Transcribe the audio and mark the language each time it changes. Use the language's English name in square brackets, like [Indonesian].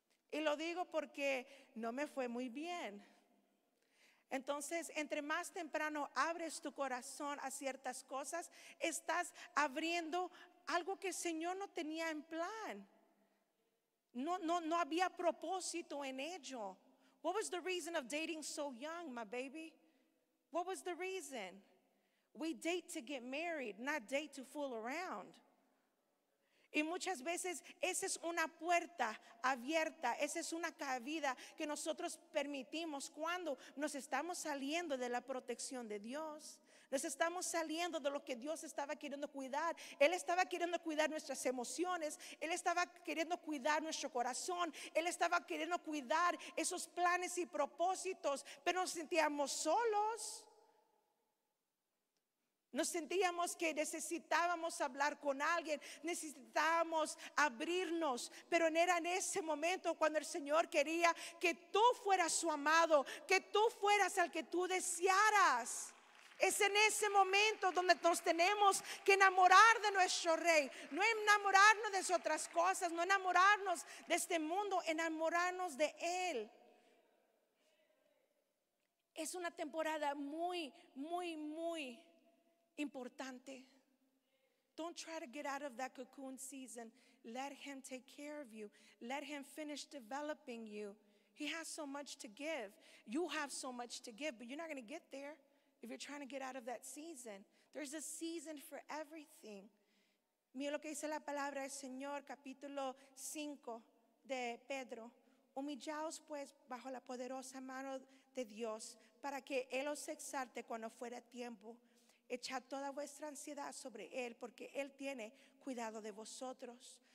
[Spanish] Y lo digo porque no me fue muy bien. Entonces, entre más temprano abres tu corazón a ciertas cosas, estás abriendo algo que el Señor no tenía en plan. No había propósito en ello. [English] What was the reason of dating so young, my baby? What was the reason? We date to get married, not date to fool around. [Spanish] Y muchas veces esa es una puerta abierta, esa es una cabida que nosotros permitimos cuando nos estamos saliendo de la protección de Dios. Nos estamos saliendo de lo que Dios estaba queriendo cuidar. Él estaba queriendo cuidar nuestras emociones. Él estaba queriendo cuidar nuestro corazón. Él estaba queriendo cuidar esos planes y propósitos, pero nos sentíamos solos. Nos sentíamos que necesitábamos hablar con alguien, necesitábamos abrirnos, pero era en ese momento cuando el Señor quería que tú fueras su amado, que tú fueras al que tú desearas. Es en ese momento donde nos tenemos que enamorar de nuestro Rey, no enamorarnos de otras cosas, no enamorarnos de este mundo, enamorarnos de Él. Es una temporada muy, muy, muy importante. [English] Don't try to get out of that cocoon season. Let him take care of you. Let him finish developing you. He has so much to give. You have so much to give, but you're not going to get there if you're trying to get out of that season. There's a season for everything. [Spanish] Mira lo que dice la palabra del Señor, capítulo 5 de Pedro. Humillaos pues bajo la poderosa mano de Dios para que Él os exalte cuando fuera tiempo. Echad toda vuestra ansiedad sobre Él, porque Él tiene cuidado de vosotros.